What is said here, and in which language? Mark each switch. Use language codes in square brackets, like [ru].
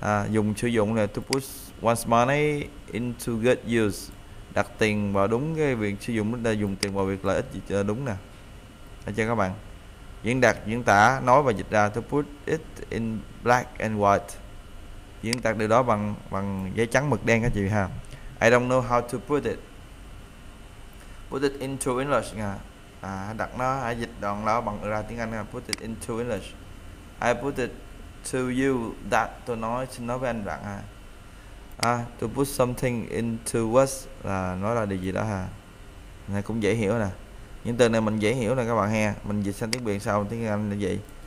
[vi] Dùng sử dụng là [en] to put one's money into good use, [vi] đặt tiền vào đúng cái việc sử dụng, là dùng tiền vào việc lợi ích gì cho đúng nè. Được chưa các bạn? Diễn đạt, diễn tả, nói và dịch ra. [en] To put it in black and white, [vi] diễn đạt điều đó bằng bằng giấy trắng mực đen các chị ha. [en] I don't know how to put it, put it into English nha. [vi] Đặt nó, dịch đoạn đó bằng ra tiếng Anh nha. [en] Put it into English. I put it to you that, [vi] tôi nói, xin nói với anh bạn ha. [en] To put something into words [vi] là nói là điều gì đó ha. Này cũng dễ hiểu nè. Những từ này mình dễ hiểu nè các bạn ha. Mình dịch sang tiếng Việt sao tiếng Anh là vậy.